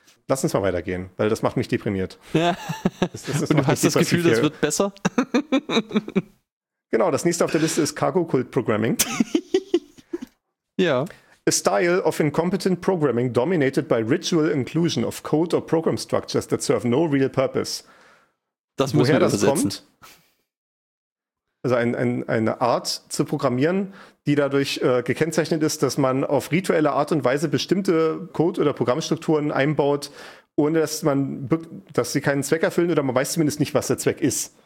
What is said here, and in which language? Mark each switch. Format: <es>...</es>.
<de>Lass uns mal weitergehen, weil das macht mich deprimiert. Ja. Das und du hast das Gefühl, das wird besser? Genau, das nächste auf der Liste ist Cargo Cult Programming. Ja.</de> <en>A style of incompetent programming dominated by ritual inclusion of code or program structures that serve no real purpose.</en> <de>Das muss man übersetzen. Kommt? Also eine Art zu programmieren, die dadurch gekennzeichnet ist, dass man auf rituelle Art und Weise bestimmte Code- oder Programmstrukturen einbaut, ohne dass man, dass sie keinen Zweck erfüllen, oder man weiß zumindest nicht, was der Zweck ist.</de>